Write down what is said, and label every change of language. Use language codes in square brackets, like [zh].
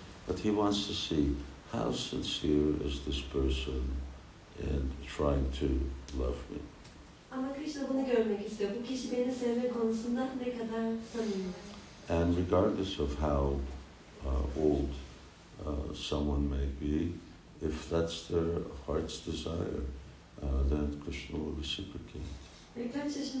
[en] But he wants to see how sincere is this person in trying to love me. [tr] Ama Krishna bunu görmek istiyor. Bu kişi beni sevme konusunda ne kadar samimi. [en] And regardless of how old someone may be, if that's their heart's desire, then Krishna will reciprocate.